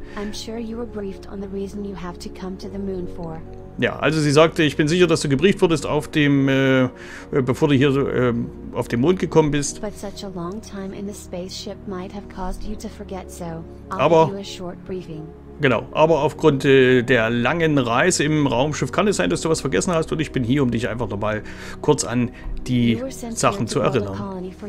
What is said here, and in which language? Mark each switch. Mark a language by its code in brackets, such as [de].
[en] I'm sure you were briefed on the reason you have to come to the moon for. [de] Ja, also sie sagte, ich bin sicher, dass du gebrieft wurdest auf dem, bevor du hier auf den Mond gekommen bist. [en] But such a long time in the spaceship might have caused you to forget so. I'll give you a short briefing. [de] Genau, aber aufgrund der langen Reise im Raumschiff kann es sein, dass du was vergessen hast und ich bin hier, um dich einfach nochmal kurz an die Sachen zu erinnern.